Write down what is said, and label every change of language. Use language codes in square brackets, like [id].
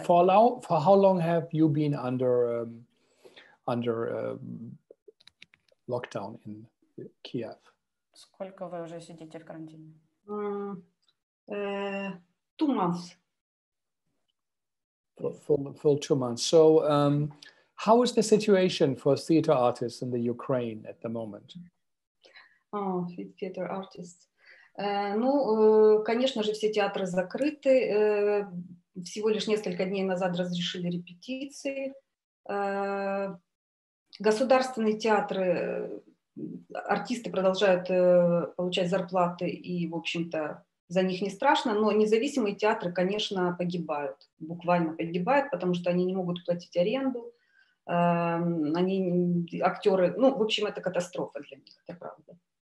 [en] For how long have you been under lockdown in Kiev? [ru] Сколько вы уже сидите в карантине? [en] 2 months. Full 2 months. So, how is the situation for theater artists in the Ukraine at the moment? Oh, theater artists. [ru] Конечно же, все театры закрыты. Всего лишь несколько дней назад разрешили репетиции. Государственные театры, артисты продолжают получать зарплаты, и, в общем-то, за них не страшно, но независимые театры, конечно, погибают, буквально погибают, потому что они не могут платить аренду, они актеры, ну, в общем, это катастрофа для них, это правда.